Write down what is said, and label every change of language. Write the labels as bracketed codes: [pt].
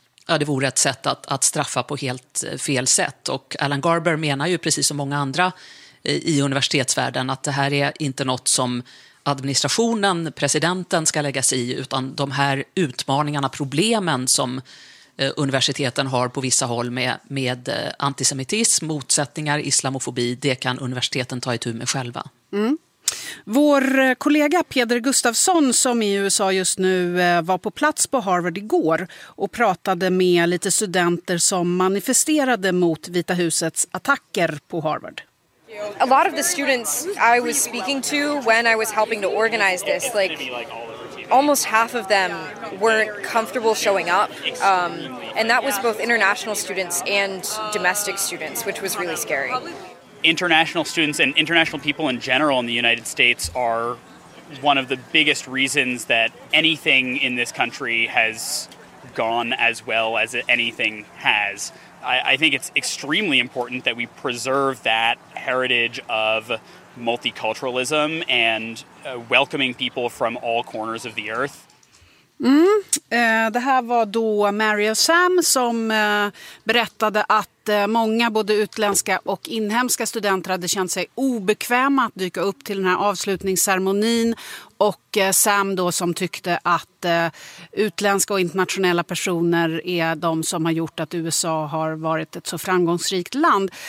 [sv] Ja, det vore ett sätt att straffa på helt fel sätt. Och Alan Garber menar ju, precis som många andra i universitetsvärlden, att det här är inte något som administrationen, presidenten, ska lägga sig i, utan de här utmaningarna, problemen som universiteten har på vissa håll med antisemitism, motsättningar, islamofobi, det kan universiteten ta itu med själva. Mm. Vår kollega Peder Gustafsson som i USA just nu var på plats på Harvard igår och pratade med lite studenter som manifesterade mot Vita husets attacker på Harvard. [en] A lot of the students I was speaking to when I was helping to organize this, like almost half of them weren't comfortable showing up. And that was both international students and domestic students, which was really scary. International students and international people in general in the United States are one of the biggest reasons that anything in this country has gone as well as anything has. I think it's extremely important that we preserve that heritage of multiculturalism and welcoming people from all corners of the earth. Mm. [sv] Det här var då Mary och Sam som berättade att många både utländska och inhemska studenter hade känt sig obekväma att dyka upp till den här avslutningsceremonin och Sam då som tyckte att utländska och internationella personer är de som har gjort att USA har varit ett så framgångsrikt land.